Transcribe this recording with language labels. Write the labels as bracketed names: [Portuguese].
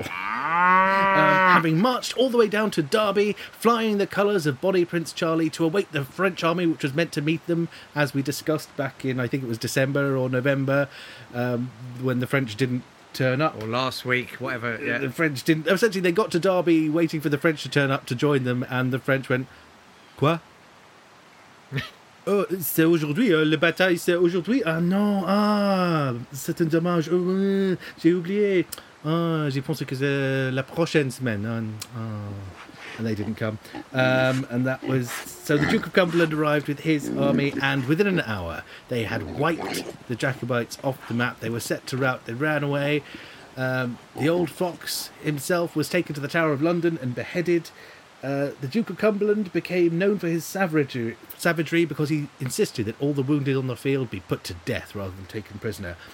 [English] Having marched all the way down to Derby, flying the colours of body Prince Charlie to await the French army, which was meant to meet them, as we discussed back in, I think it was December or November, when the French didn't turn up. Or last week, whatever. Yeah. The French didn't. Essentially, they got to Derby waiting for the French to turn up to join them, and the French went, quoi? [French] Oh, c'est aujourd'hui, la bataille c'est aujourd'hui. Ah non, ah, c'est un dommage. Oh, j'ai oublié. Ah, j'ai pensé que c'est la prochaine semaine. [English] Ah, and they didn't come. And that was. So the Duke of Cumberland arrived with his army, and within an hour, they had wiped the Jacobites off the map. They were set to rout, they ran away. The old fox himself was taken to the Tower of London and beheaded. The Duke of Cumberland became known for his savagery because he insisted that all the wounded on the field be put to death rather than taken prisoner.